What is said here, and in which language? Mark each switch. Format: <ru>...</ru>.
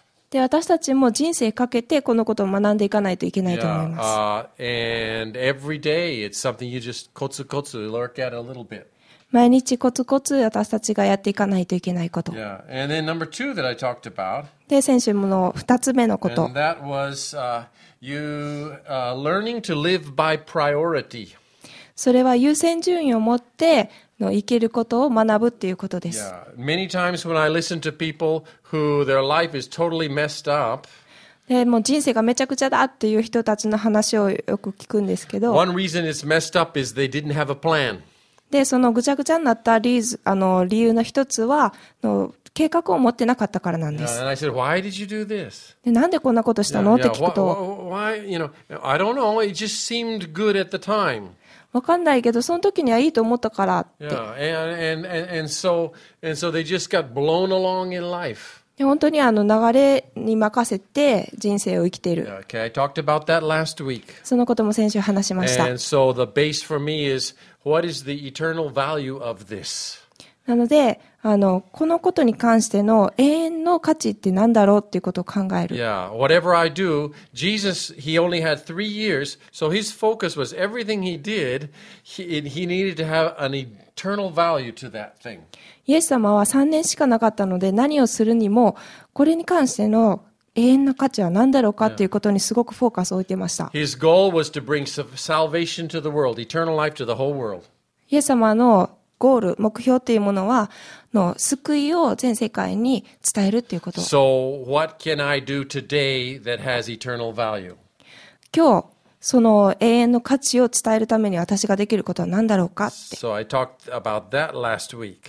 <ja>で私たちも人生かけてこのことを学んでいかないといけないと思います。</ja> <en>And every day it's something you just</en> <ja>コツコツ</ja> <en>work at a little bit.</en> <ja>毎日コツコツ私たちがやっていかないといけないこと。</ja> <en>Yeah. And then number two that I talked about,</en> <ja>で、先週の二つ目のこと。</ja> <en>And that was, you, learning to live by priority.</en> <ja>それは優先順位を持っての生きることを学ぶっていうことです。</ja> <en>Yeah. Many times when I listen to people who their life is totally messed up,</en> <ja>でもう人生がめちゃくちゃだっていう人たちの話をよく聞くんですけど。</ja> <en>One reason it's messed up is they didn't have a plan.</en> <ja>でそのぐちゃぐちゃになった理由の一つは計画を持ってなかったからなんです。</ja> <en>Yeah, and I said, why did you do this?</en> <ja>でなんでこんなことしたの</ja> <en>yeah,</en> <ja>って聞くと、</ja> <en>why, you know, I don't know. It just seemed good at the time.</en> <ja>わかんないけどその時にはいいと思ったからって。</ja> <en>Yeah, and so they just got blown along in life.</en> <ja>で本当に流れに任せて人生を生きている。</ja> <en>Yeah, okay, I talked about that last week.</en> <ja>そのことも先週話しました。</ja> <en>And so the base for me is,What is the eternal value of this?</en> <ja>なのでこのことに関しての永遠の価値って何だろうっていうことを考える。</ja> <en>Yeah, whatever I do, Jesus, he only had 3 years, so his focus was everything he did, he needed to have an eternal value to that thing.</en> <ja>イエス様は3年しかなかったので何をするにもこれに関しての永遠の価値は何だろうかということにすごくフォーカスを置いていました。</ja> <en>His goal was to bring salvation to the world, eternal life to the whole world.</en> <ja>イエス様のゴール、目標というものは、救いを全世界に伝えるということ。</ja> <en>So what can I do today that has eternal value?</en> <ja>今日、その永遠の価値を伝えるために私ができることは何だろうかって。</ja> <en>So I talked about that last week.</en>